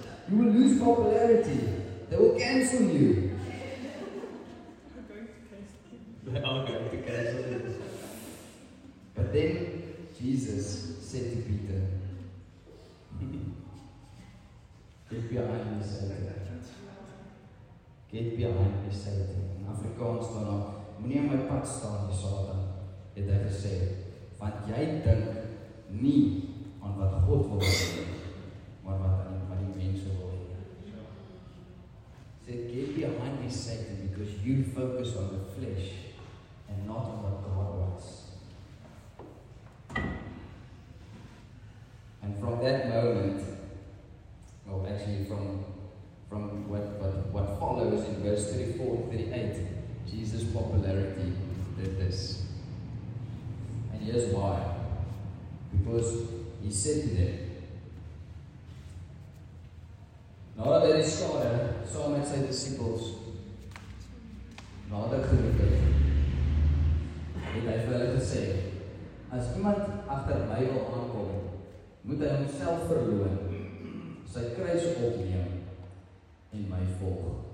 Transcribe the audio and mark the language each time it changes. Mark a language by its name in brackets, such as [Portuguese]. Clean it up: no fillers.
[English] You will lose popularity. They will cancel you. They are going to cancel you. But then Jesus said to Peter, get behind me, Satan. Get behind me, Satan. [Afrikaans] In Afrikaans staan ook, moenie my pad staan, die Satan, het hy gesê, want jy dink nie aan wat God wil hê, maar wat die mense wil hê. [English] Said, get behind me, Satan, because you focus on the flesh and not on what God wants. And from that moment, well, actually from what follows in verse 34 and 38, Jesus' popularity did this. And here's why. Because he said to them, [Afrikaans] nadat hy gestaan saam met sy disippels, nadat geroep het, het hy vir hulle gesê, as iemand agter my wil aankom, moet hy homself verloën, sy kruis opneem en my volg.